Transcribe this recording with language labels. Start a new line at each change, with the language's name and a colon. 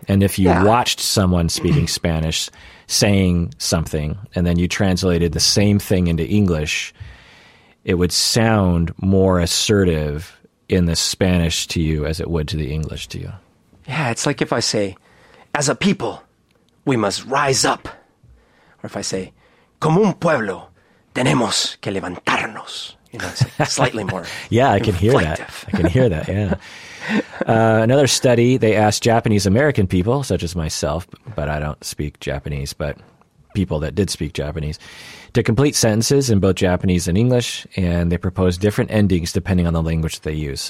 English: And if you watched someone speaking Spanish saying something, and then you translated the same thing into English, it would sound more assertive in the Spanish to you as it would to the English to you. Yeah, it's like if I say, as a people, we must rise up.
Spanish: Or if I say, como un pueblo, tenemos que levantarnos.
English: You know, it's like slightly more. Yeah, I can hear that. I can hear that, yeah. Another study, they asked Japanese-American people, such as myself, but I don't speak Japanese, but people that did speak Japanese, to complete sentences in both Japanese and English, and they proposed different endings depending on the language that they use.